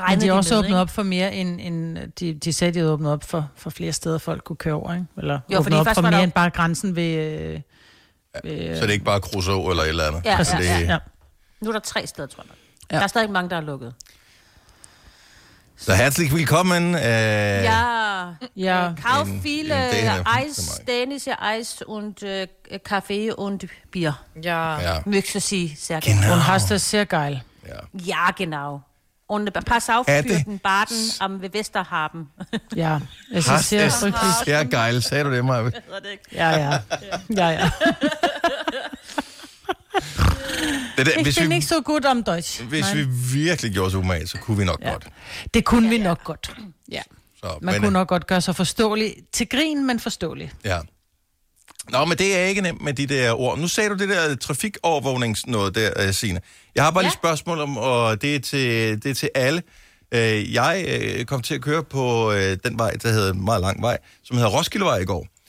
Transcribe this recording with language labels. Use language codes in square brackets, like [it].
[da] Men de har også åbnet op for mere, end de sagde, de havde åbnet op for flere steder, folk kunne køre over. Ikke? Eller jo, åbnet op for mere end bare grænsen ved... Så det er ikke bare Kruså eller et eller andet? Ja. Nu er der 3 steder, tror jeg. Ja. Der er stadig mange, der er lukket. [de] Så herzlich willkommen. Ja, ja. Kauf viele Eis, dänische Eis und Kaffee und Bier. Ja, ja. Möchte sie sehr gerne. Genau. Und hast das sehr geil. Ja, ja, genau. Und pass auf für den Baden am Westerhaven. Ja, es ist sehr frygtelig. [da] Ja, geil, sagde du det, Maja? Ja, ja. Ja, ja. Ja. Det der, [de] ich bin nicht so gut am Deutsch. [da] Hvis vi virkelig gjorde os umage, så kunne vi nok godt. Det kunne vi nok godt, ja. Så, man kunne nok godt gøre sig forståelig. Til grin, men forståelig. Ja. Nå, men det er ikke nemt med de der ord. Nu sagde du det der trafikovervågningsnoget der, Signe. Jeg har bare lige spørgsmål om, og det er til, det er til alle. Jeg kom til at køre på den vej, der hedder meget lang vej, som hedder Roskildevej i går.